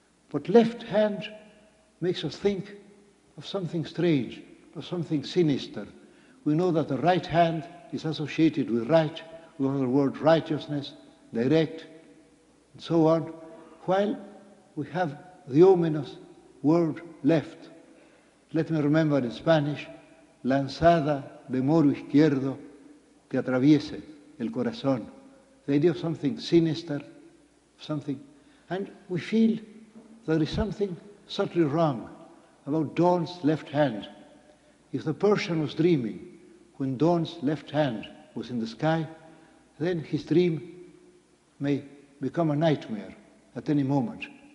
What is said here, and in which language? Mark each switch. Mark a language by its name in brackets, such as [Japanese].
[English] But left hand makes us think of something strange, of something sinister. We know that the right hand is associated with right, with the word righteousness, direct, and so on, while we have the ominous word left. Let me remember in Spanish, [Spanish] lanzada de moro izquierdo que atraviese el corazón. [English] The idea of something sinister, something. And we feel there is something subtly wrong about dawn's left hand. If the Persian was dreaming when dawn's left hand was in the sky, then his dream may become a nightmare at any moment.